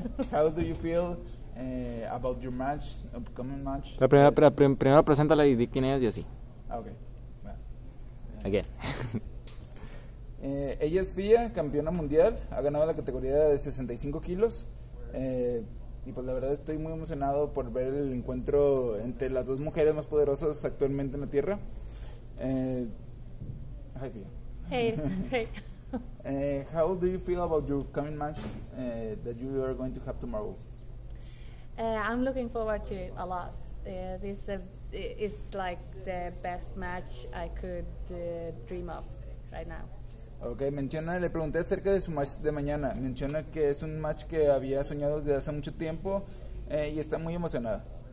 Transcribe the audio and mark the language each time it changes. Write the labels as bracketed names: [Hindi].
[English] How do you feel about your match, upcoming match? [Spanish] Pero primero, primero preséntala y di quién es y así. [English] Okay. Again. [Spanish] Ella es Pia, campeona mundial. Ha ganado la categoría de 65 kilos. Y pues la verdad estoy muy emocionado por ver el encuentro entre las dos mujeres más poderosas actualmente en la Tierra. [English] Hi, Pia. Hey. How do you feel about your coming match that you are going to have tomorrow? I'm looking forward to it a lot. This is like the best match I could dream of right now. [Spanish] Okay, menciona, le pregunté acerca de su match de mañana. Menciona que es un match que había soñado desde hace mucho tiempo y está muy emocionada.